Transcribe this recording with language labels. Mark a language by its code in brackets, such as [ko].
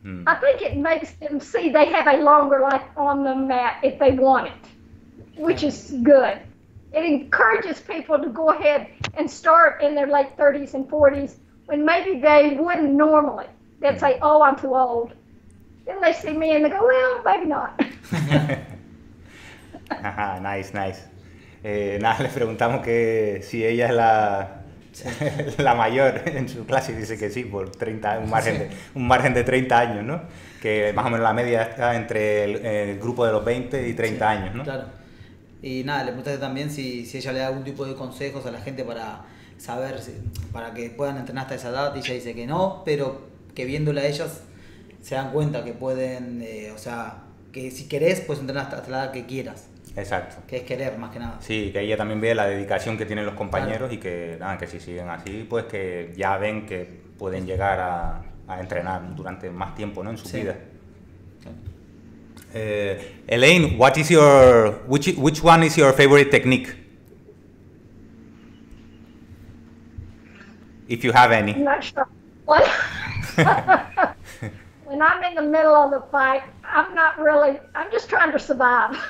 [en] I think it makes them see they have a longer life on the mat if they want it, which is good. It encourages people to go ahead and start in their late 30s and 40s when maybe they wouldn't normally. They'd say, oh, I'm too old. Then they see me and they go, well, maybe not. Nice, nice. [es] Nada, le preguntamos que si ella es la... la mayor en su clase dice que sí, por 30, un margen de 30 años, ¿no? Que más o menos la media está entre el grupo de los 20 y 30 sí, años, ¿no? Claro. Y nada, le preguntaste también si ella le da algún tipo de consejos a la gente para saber, para que puedan entrenar hasta esa edad. Y ella dice que no, pero que viéndola a ellas se dan cuenta que pueden, o sea, que si querés puedes entrenar hasta la edad que quieras. Exacto. Que es querer, más que nada. Sí, que ella también ve la dedicación que tienen los compañeros, claro. Y que nada, que si siguen así, pues que ya ven que pueden llegar a entrenar durante más tiempo, ¿no? En su sí. Vida. Sí. [en] Elaine, what is your which one is your favorite technique? If you have any. I'm not sure. When I'm in the middle of the fight, I'm not really, I'm just trying to survive.